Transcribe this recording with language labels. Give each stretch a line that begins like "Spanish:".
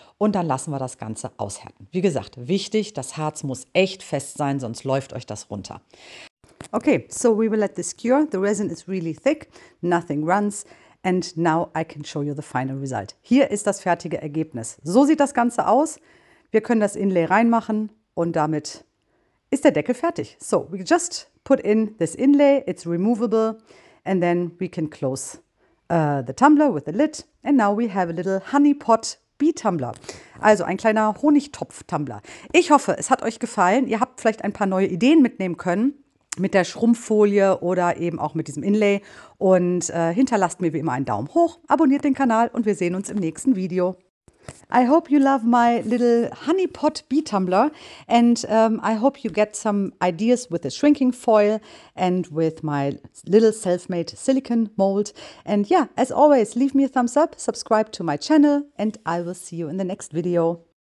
German: Und dann lassen wir das Ganze aushärten. Wie gesagt, wichtig, das Harz muss echt fest sein, sonst läuft euch das runter.
English: Okay, so we will let this cure. The resin is really thick, nothing runs. And now I can show you the final result.
German: Hier ist das fertige Ergebnis. So sieht das Ganze aus. Wir können das Inlay reinmachen und damit ist der Deckel fertig.
English: So, we just put in this inlay, it's removable. And then we can close the tumbler with the lid. And now we have a little honey pot.
German: Tumbler. Also ein kleiner Honigtopf-Tumbler. Ich hoffe, es hat euch gefallen. Ihr habt vielleicht ein paar neue Ideen mitnehmen können mit der Schrumpffolie oder eben auch mit diesem Inlay. Und hinterlasst mir wie immer einen Daumen hoch, abonniert den Kanal und wir sehen uns im nächsten Video.
English: I hope you love my little honeypot bee tumbler and I hope you get some ideas with the shrinking foil and with my little self-made silicone mold. And yeah, as always, leave me a thumbs up, subscribe to my channel and I will see you in the next video.